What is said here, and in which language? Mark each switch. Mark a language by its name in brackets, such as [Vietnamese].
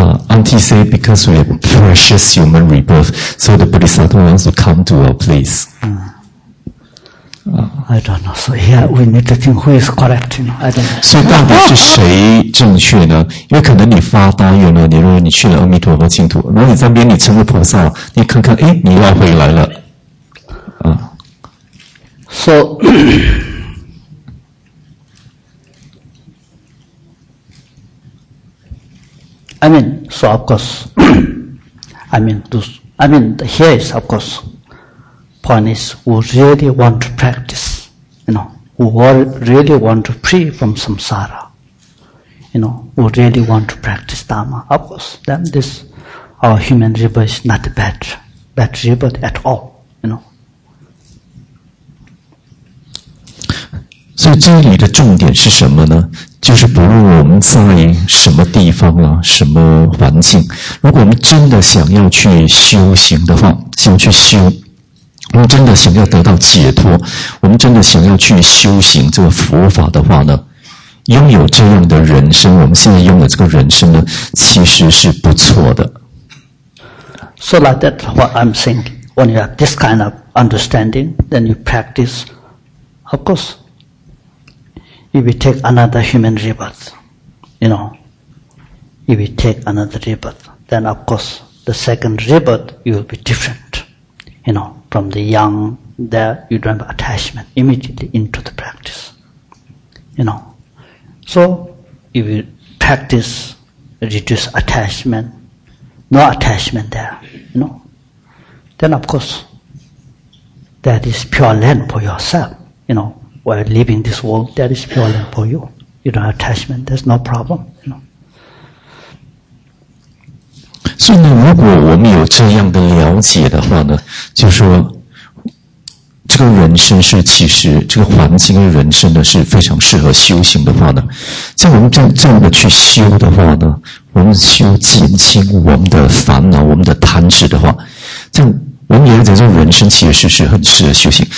[English] Auntie say because we have precious human rebirth, so the Bodhisattva wants to come to our place. I don't know. So here we need to think who is correct, you know? I don't know. [Chinese] 所以到底是谁正确呢？因为可能你发大愿了，你如果你去了阿弥陀佛净土，然后你在那边你成了菩萨，你看看，哎，你要回来了。 [English] So, I mean, so of course, I mean, here is of course. Point is, who really want to practice, you know, who really want to free from samsara, you know, who really want to practice Dharma, of course, then this, our human rebirth is not bad rebirth at all, you know. [Chinese] 所以这里的重点是什么呢？就是不论我们在什么地方啊，什么环境，如果我们真的想要去修行的话，想去修我们真的想要得到解脱，我们真的想要去修行这个佛法的话呢，拥有这样的人生，我们现在拥有这个人生呢，其实是不错的。 [English] So like that, what I'm saying, when you have this kind of understanding, then you practice, of course, if we take another human rebirth, you know, if we take another rebirth, then of course the second rebirth you will be different, you know, from the young there you don't have attachment immediately into the practice, you know. So if you practice, reduce attachment, no attachment there, you know, then of course that is pure land for yourself, you know. While leaving this world, that is pure land for you. You don't have attachment, there's no problem, you know. [Chinese] 所以呢，如果我们有这样的了解的话呢，就是说这个人生是其实这个环境跟人生呢是非常适合修行的话呢，在我们这样的去修的话呢，我们修减轻我们的烦恼，我们的贪执的话，这样我们了解这个人生其实是很适合修行。